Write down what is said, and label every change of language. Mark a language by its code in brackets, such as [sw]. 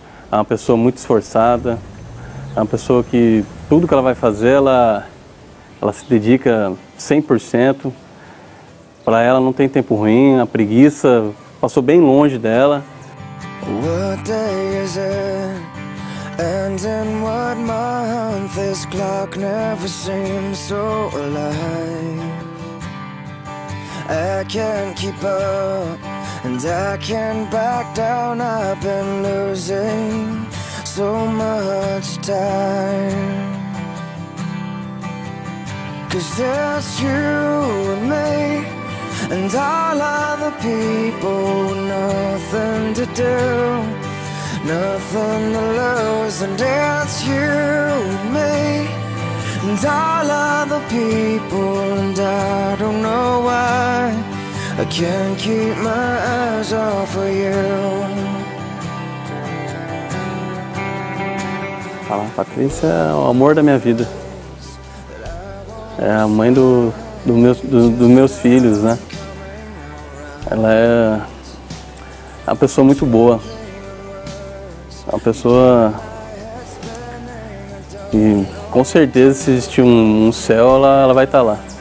[pt] É uma pessoa muito esforçada. É uma pessoa que tudo que ela vai fazer, ela se dedica 100%. Para ela não tem tempo ruim, a preguiça passou bem longe dela. [en] What day is it? And in what month this clock never seems so alive. I can't keep up and I can't back down, I've been losing so much time. 'Cause there's you and me and all other people, nothing to do, nothing to lose. And it's you and me and all other people, and I don't know why I can't keep my eyes off of you. [pt] A Patrícia é o amor da minha vida. É a mãe dos meus filhos, né? Ela é uma pessoa muito boa. Uma pessoa que, com certeza, se existir um céu, ela vai estar lá.